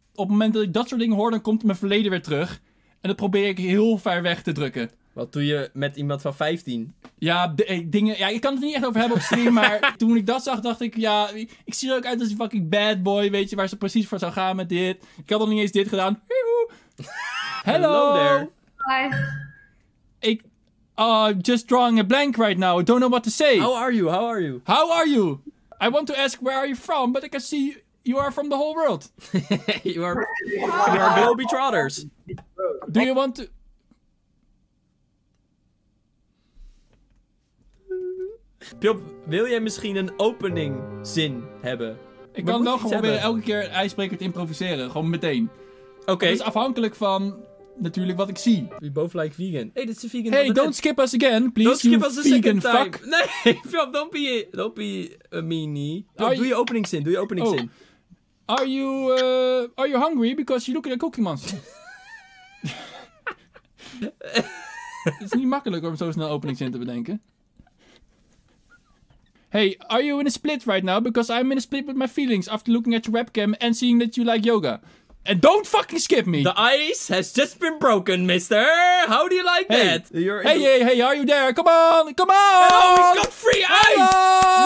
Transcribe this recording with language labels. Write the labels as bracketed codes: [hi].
[nl] Op het moment dat ik dat soort dingen hoor, dan komt mijn verleden weer terug. En dat probeer ik heel ver weg te drukken. Wat doe je met iemand van 15? Ja, ik kan het niet echt over hebben op stream, maar toen ik dat zag, dacht ik, ja, ik zie er ook uit als een [en] fucking bad boy, [nl] weet je, waar ze precies voor zou gaan met dit. Ik had nog niet eens dit gedaan. [en] Hello there. Hi. Just drawing a blank right now. I don't know what to say. How are you? I want to ask where are you from, but I can see you are from the whole world. you are Globetrotters. Do you want to... [nl] Pjop, wil jij misschien een opening zin hebben? Ik kan wel gewoon proberen elke keer een ijsbreker te improviseren. Gewoon meteen. Oké. Dat is afhankelijk van natuurlijk wat ik zie. [en] We both like vegan. Hey, [nl] dat is een vegan. [en] Hey, don't skip us again, please. Don't skip us a second time. Fuck. [nl] Nee, Pjop, [en] don't be a meanie. [nl] Doe je openingszin. [en] Are you hungry because you look at a cookie monster? [nl] Het is niet makkelijk om zo snel openingszin te bedenken. [en] Hey, are you in a split right now? Because I'm in a split with my feelings after looking at your webcam and seeing that you like yoga. And don't fucking skip me. The ice has just been broken, mister. How do you like that? Hey, are you there? Come on, come on. Oh, he's got free ice. Hello.